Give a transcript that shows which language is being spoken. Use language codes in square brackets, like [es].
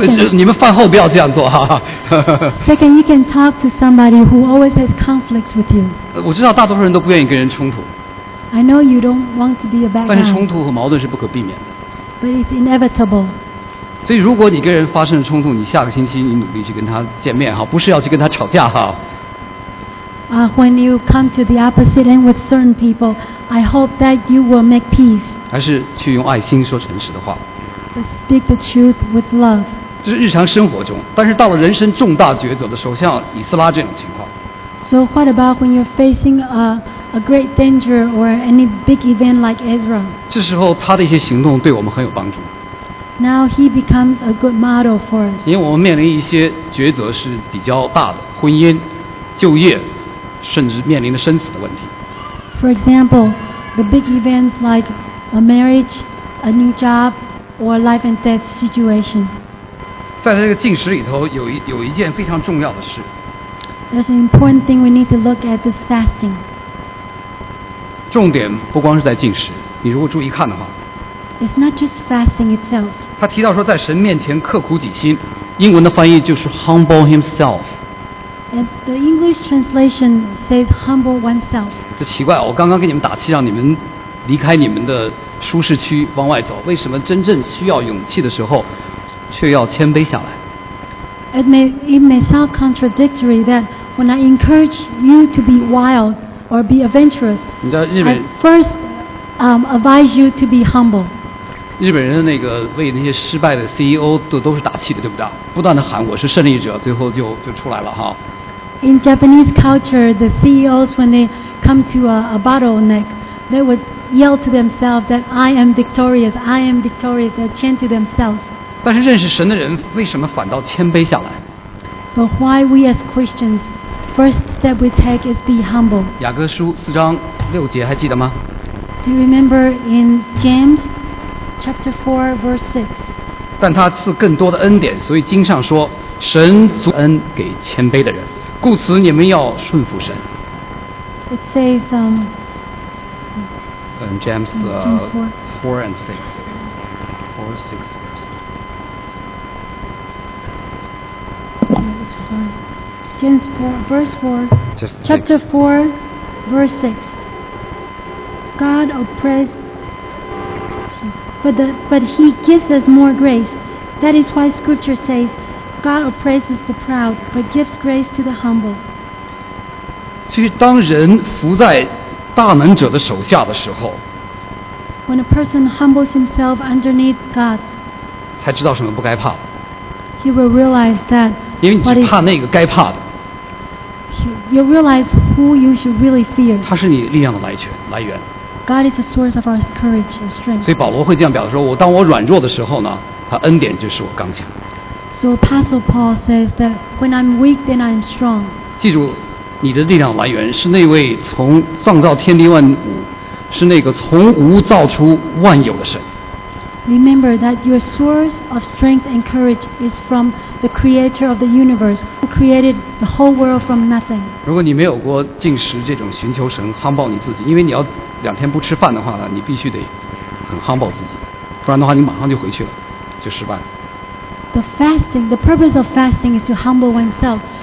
[zh] 你们饭后不要这样做哈。 [en] Second, you can talk to somebody who always has conflicts with you. [zh] 我知道大多数人都不愿意跟人冲突。 [en] I know you don't want to be a bad guy. [zh] 但是冲突和矛盾是不可避免的。 [en] But it's inevitable. [zh] 所以如果你跟人发生了冲突，你下个星期你努力去跟他见面哈，不是要去跟他吵架哈。 [en] When you come to the opposite end with certain people, I hope that you will make peace. [zh] 还是去用爱心说诚实的话。 [en] Speak the truth with love. [zh] 这是日常生活中，但是到了人生重大抉择的时候，像以斯拉这种情况。 [en] So what about when you're facing a great danger or any big event like Ezra? [zh] 这时候他的一些行动对我们很有帮助。 [en] Now he becomes a good model for us. [zh] 因为我们面临一些抉择是比较大的，婚姻、就业，甚至面临的生死的问题。 [en] For example, the big events like a marriage, a new job. Or life and death situation. [zh] 在这个禁食里头有一件非常重要的事。 [en] There's an important thing we need to look at this fasting. [zh] 重点不光是在禁食，你如果注意看的话。 [en] It's not just fasting itself. [zh] 他提到说在神面前刻苦己心，英文的翻译就是 [en] humble himself. And the English translation says humble oneself. [zh] 这奇怪，我刚刚给你们打气，让你们离开你们的舒适区往外走，为什么真正需要勇气的时候却要谦卑下来？ [en] It may sound contradictory that when I encourage you to be wild or be adventurous, I first advise you to be humble. [zh] 日本人的那个为那些失败的 CEO 都是打气的，对不对？不断的喊我是胜利者，最后就出来了哈。 [en] In Japanese culture, the CEOs when they come to a bottleneck, they wouldYell to themselves that I am victorious. I am victorious. They chant to themselves. [zh] 但是认识神的人为什么反倒谦卑下来 [en] ？But why we as Christians, first step we take is be humble. [zh] 雅各书四章六节还记得吗 [en] ？Do you remember in James chapter 4 verse 6? [zh] 但他赐更多的恩典，所以经上说，神足恩给谦卑的人，故此你们要顺服神。 [en] It says James 4 and 6. 4, 6 verse. James 4, verse 4. Chapter 4, verse 6. God oppressed. But he gives us more grace. That is why scripture says, God oppresses the proud, but gives grace to the humble. [zh] 其实当人服在大能者的手下的时候， [en] When a person humbles himself underneath God, [zh] 才知道什么不该怕。 [en] He will realize that. [zh] 因为你只怕那个该怕的。 [en] You realize who you should really fear. [zh] 他是你力量的来源。 [en] God is the source of our courage and strength. [zh] 所以保罗会这样表达说：“我当我软弱的时候呢，他恩典就是我刚强。” [en] So Apostle Paul says that when I'm weak, then I'm strong. [zh] 记住，你的力量来源是那位从创造天地万物。是那个从无造出万有的神。 [en] Remember that your source of strength and courage is from the Creator of the universe, who created the whole world from nothing. [zh] 如果你没有过进食这种寻求神 humble 你自己，因为你要两天不吃饭的话呢，你必须得很 humble 自己，不然的话你马上就回去了，就失败了。 [en] The fasting, the purpose of fasting is to humble oneself.